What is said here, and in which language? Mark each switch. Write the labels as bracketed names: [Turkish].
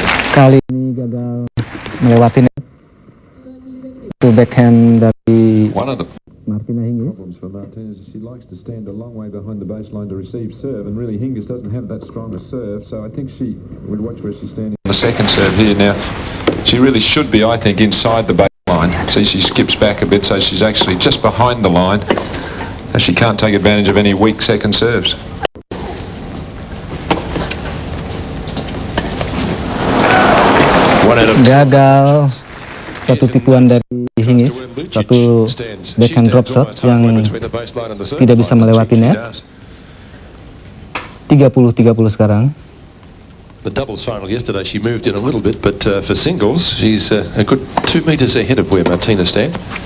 [Indonesian] Kali ini gagal melewati net. Itu backhand dari Martina Hingis. [English] Problems for Martinez is she likes to stand a long way behind the baseline to receive serve, and really Hingis doesn't have that strong a serve, so I think she would watch where she's standing. The second serve here now, she really should be, I think, inside the baseline. See, she skips back a bit, so she's actually just behind the line, and she can't take advantage of any weak second serves. [Indonesian] Gagal. Satu tipuan dari Hingis, satu backhand drop shot yang tidak bisa melewati net. 30-30 sekarang. [English] The doubles final yesterday she moved in a little bit, but for singles she's a good 2 meters ahead of where Martina stands.